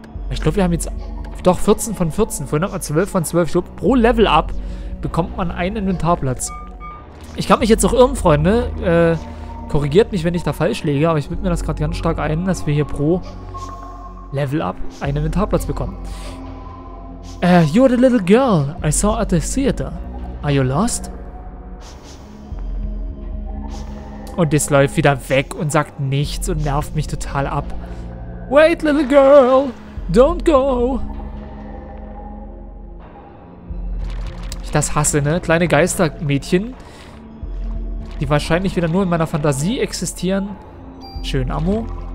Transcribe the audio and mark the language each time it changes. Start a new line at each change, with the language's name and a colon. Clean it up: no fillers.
German: Ich glaube, wir haben jetzt doch 14 von 14. Vorhin hat man 12 von 12. Ich glaube, pro Level up bekommt man einen Inventarplatz. Ich kann mich jetzt auch irren, Freunde. Korrigiert mich, wenn ich da falsch liege, aber ich bilde mir das gerade ganz stark ein, dass wir hier pro Level up einen Inventarplatz bekommen.
English: You're the little girl I saw at the theater. Are you lost?
German: Und das läuft wieder weg und sagt nichts und nervt mich total ab.
English: Wait, little girl! Don't go!
German: Ich das hasse, ne? Kleine Geistermädchen, die wahrscheinlich wieder nur in meiner Fantasie existieren. Schön, Ammo.